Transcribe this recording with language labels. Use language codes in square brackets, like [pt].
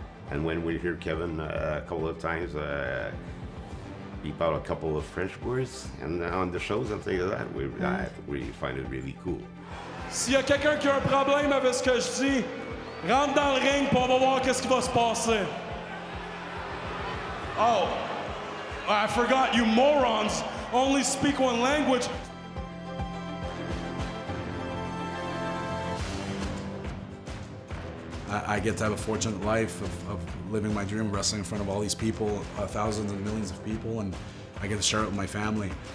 [en] And when we hear Kevin a couple of times beep out a couple of French words and on the shows and things like that, we find it really cool. [fr] S'il y a quelqu'un qui a un problème avec ce que je dis, rentre dans le ring pour voir qu'est-ce qui va se passer. [en] Oh, I forgot you morons only speak one language. I get to have a fortunate life of living my dream, wrestling in front of all these people, thousands and millions of people, and I get to share it with my family.